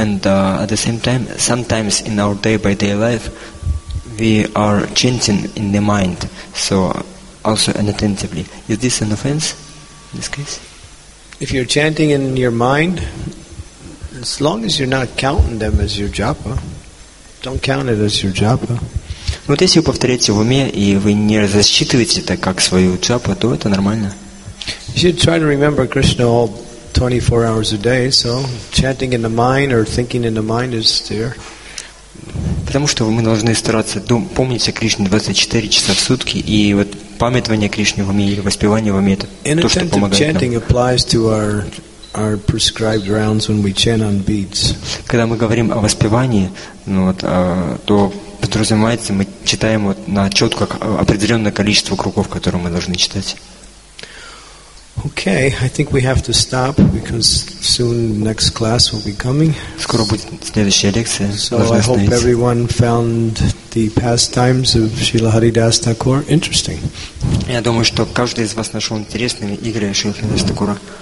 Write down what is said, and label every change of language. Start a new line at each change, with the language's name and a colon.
English: And at the same time, sometimes in our day-by-day life, we are chanting in the mind, so also inattentively. Is this an offense in this case? If you're chanting in your mind, as long as you're not counting them as your japa, don't count it as your japa.
Russian: Вот если вы повторяете в уме и вы не засчитываете это как свою джапу, то это нормально.
English: You should try to remember Krishna all 24 hours a day, so chanting in the mind or thinking in the mind is there.
Russian: Потому что мы должны стараться помнить о Кришне 24 часа в сутки, и вот памятование Кришне в уме или воспевание в уме это то, что помогает нам.
English: Chanting applies to our prescribed rounds when we chant on beads.
Russian: Когда мы говорим о воспевании, то подразумевается, мы читаем на четко определенное количество кругов, которые мы должны читать.
English: Okay, I think we have to stop because soon next class will be coming.
Russian: Скоро будет следующая лекция.
English: So I hope everyone found the pastimes of Srila Haridas Thakur interesting.
Russian: Я думаю, что каждый из вас нашел интересными игры Шрила Харидас Такура.